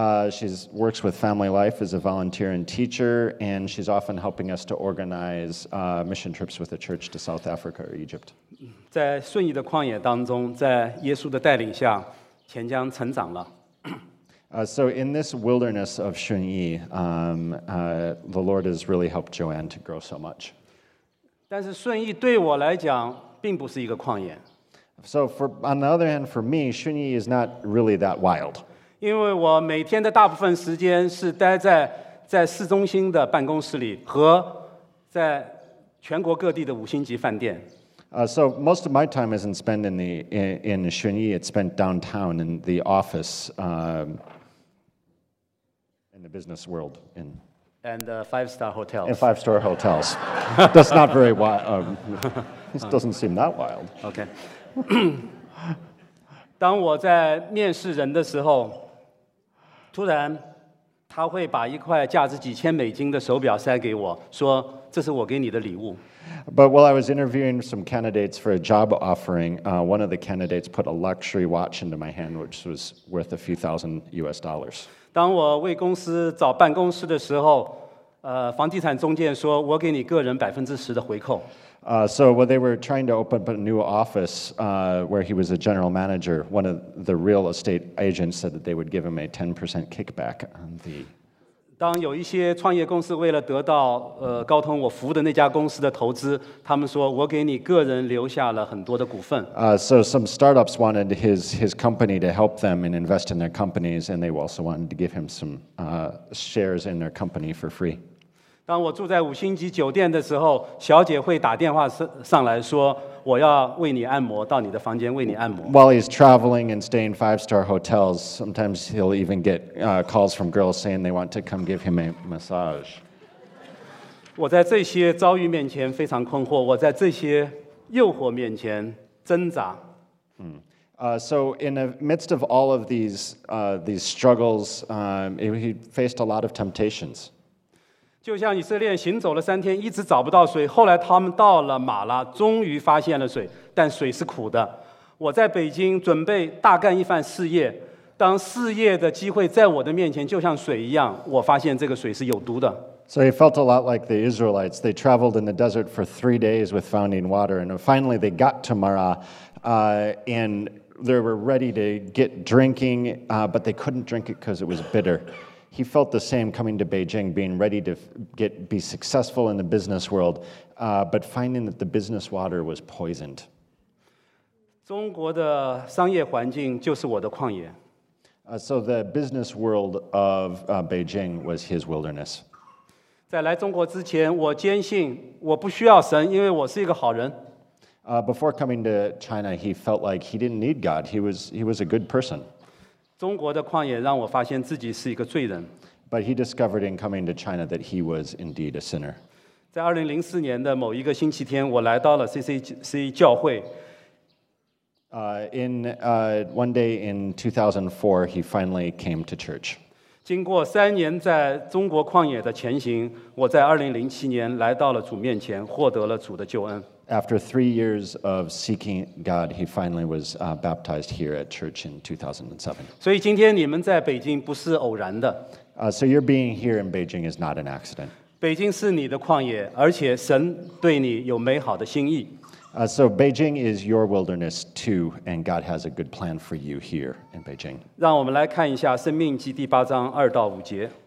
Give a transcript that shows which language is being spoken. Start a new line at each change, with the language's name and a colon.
English: She works with Family Life as a volunteer and teacher, and she's often helping us to organize mission trips with the church to South Africa or Egypt.
Chinese: 在顺义的旷野当中，在耶稣的带领下，钱江成长了。
English: So in this wilderness of Shunyi, the Lord has really helped Joanne to grow so much.
Chinese: 但是顺义对我来讲并不是一个旷野。
English: So on the other hand, for me, Shunyi is not really that wild.
Chinese: 因为我每天的大部分时间是待在在市中心的办公室里和在全国各地的五星级饭店。
English: So most of my time isn't spent in the in Xunyi, it's spent downtown in the office, in the business world, in and five-star hotels. And five-star hotels. That's not very wild. This doesn't seem that wild. Okay.
Chinese: 当我在面试人的时候，突然他会把一块价值几千美金的手表塞给我，说这是我给你的礼物。
English: But while I was interviewing some candidates for a job offering, one of the candidates put a luxury watch into my hand, which was worth a few thousand US dollars.
Chinese: 当我为公司找办公室的时候，房地产中介说我给你个人10%的回扣。
English: So when they were trying to open up a new office, where he was a general manager, one of the real estate agents said that they would give him a 10% kickback on the.
Chinese: 当有一些创业公司为了得到高通我服务的那家公司的投资，他们说我给你个人留下了很多的股份。
English: So some startups wanted his company to help them and invest in their companies, and they also wanted to give him some shares in their company for free.
Chinese: 当我住在五星级酒店的时候，小姐会打电话上来说，我要为你按摩，到你的房间为你按摩。
English: While he's traveling and staying five-star hotels, sometimes he'll even get calls from girls saying they want to come give him a massage.
Chinese: 我在这些遭遇面前非常困惑，我在这些诱惑面前挣扎。
English: So in the midst of all of these struggles, he faced a lot of temptations.
Chinese: 就像以色列行走了三天，一直找不到水。后来他们到了马拉，终于发现了水，但水是苦的。我在北京准备大干一番事业，当事业的机会在我的面前，就像水一样，我发现这个水是有毒的。
English: So he felt a lot like the Israelites. They traveled in the desert for 3 days with finding water, and finally they got to Mara, and they were ready to get drinking, but they couldn't drink it because it was bitter. He felt the same coming to Beijing, being ready to be successful in the business world, but finding that the business water was poisoned.
Chinese: 中国的商业环境就是我的旷野。
English: So the business world of Beijing was his wilderness.
Chinese: 在来中国之前，我坚信我不需要神，因为我是一个好人。
English: Before coming to China, he felt like he didn't need God. He was a good person.
Chinese: 中国的旷野让我发现自己是一个罪人。
English: But he discovered in coming to China that he was indeed a sinner.
Chinese: 在2004年的某一个星期天，我来到了 CCC 教会。
English: One day in 2004, he finally came to church.
Chinese: 经过三年在中国旷野的前行，我在2007年来到了主面前，获得了主的救恩。
English: After 3 years of seeking God, he finally was baptized here at church in 2007.
Chinese: 所以今天你们在北京不是偶然的。
English: So your being here in Beijing is not an accident.
Chinese: 北京是你的旷野，而且神对你有美好的心意。
English: So Beijing is your wilderness too, and God has a good plan for you here in Beijing.
Chinese: 让我们来看一下《申命记》第八章二到五节。